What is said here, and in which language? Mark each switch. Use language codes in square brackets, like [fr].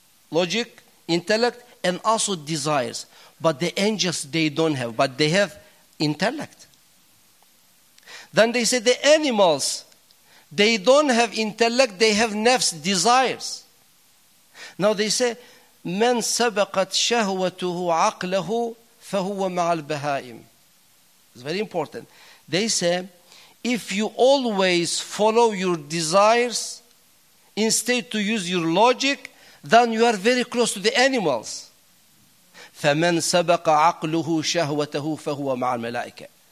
[en] logic, intellect, and also desires. But the angels, they don't have, but they have intellect. Then they say the animals, they don't have intellect, they have nafs, desires. Now they say, [ar] من سبقت شهوته عقله فهو مع البهائم. [en] It's very important. They say, if you always follow your desires, instead to use your logic, then you are very close to the animals. [ar] فَمَنْ سَبَقَ عَقْلُهُ شَهْوَتَهُ فَهُوَ مَعَ الْمَلَائِكَةِ.